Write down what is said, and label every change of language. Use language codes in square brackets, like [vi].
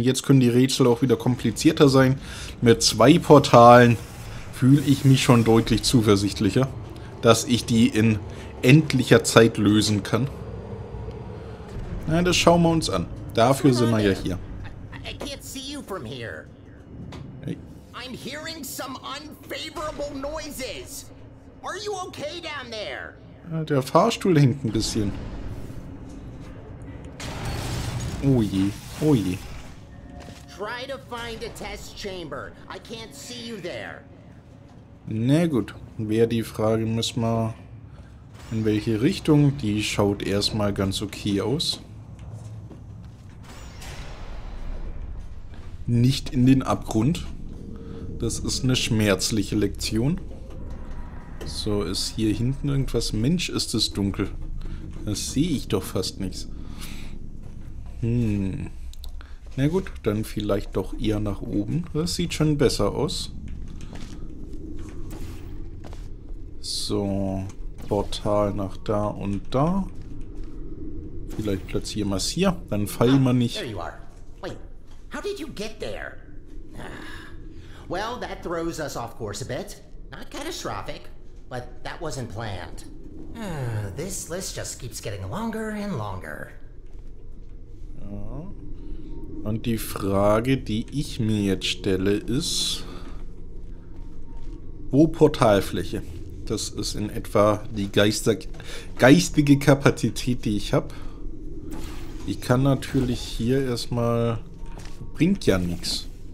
[de] Jetzt können die Rätsel auch wieder komplizierter sein. Mit zwei Portalen fühle ich mich schon deutlich zuversichtlicher, dass ich die in endlicher Zeit lösen kann. Na, das schauen wir uns an. Dafür sind wir ja hier. Ich kann dich nicht von hier sehen. Ich höre ein paar unfavorable Geräusche. Bist du okay da unten? Der Fahrstuhl hängt ein bisschen. Oh je, oh je. [en] Try to find a test chamber. I can't see you there. [de] Na gut, wäre die Frage, müssen wir in welche Richtung? Die schaut erstmal ganz okay aus. Nicht in den Abgrund. Das ist eine schmerzliche Lektion. So, ist hier hinten irgendwas? Mensch, ist es dunkel. Das sehe ich doch fast nichts. Na gut, dann vielleicht doch eher nach oben. Das sieht schon besser aus. So, Portal nach da und da. Vielleicht platzieren wir es hier. Dann fallen wir nicht. [en] There you are. Wait, how did you get there? Well, that throws us off course a bit. Not catastrophic, but that wasn't planned. This list just keeps getting longer and longer. [de] Und die Frage, die ich mir jetzt stelle, ist, wo Portalfläche? Das ist in etwa die geistige Kapazität, die ich habe. Ich kann natürlich hier erstmal... Bringt ja nichts.